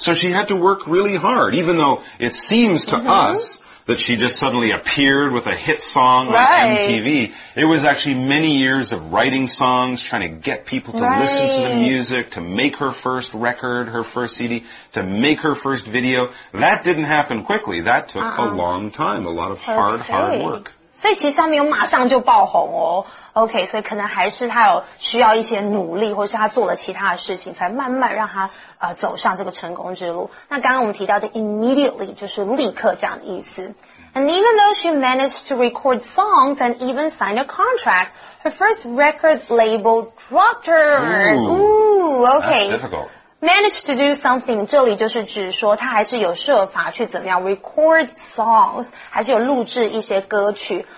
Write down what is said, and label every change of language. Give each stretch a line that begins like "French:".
English: So she had to work really hard, even though it seems to us that she just suddenly appeared with a hit song on MTV. It was actually many years of writing songs, trying to get people to listen to the music, to make her first record, her first CD, to make her first video. That didn't happen quickly. That took a long time, a lot of hard work.
Chinese: 所以其实他没有马上就爆红哦。OK, 所以可能还是他有需要一些努力，或是他做了其他的事情，才慢慢让他走上这个成功之路。那刚刚我们提到的 immediately 就是立刻这样的意思。
English: And even though she managed to record songs and even sign a contract, her first record label dropped her. Okay. That's difficult. Managed to do something,
Chinese: 这里就是指说他还是有设法去怎么样
English: record songs,
Chinese: 还是有录制一些歌曲。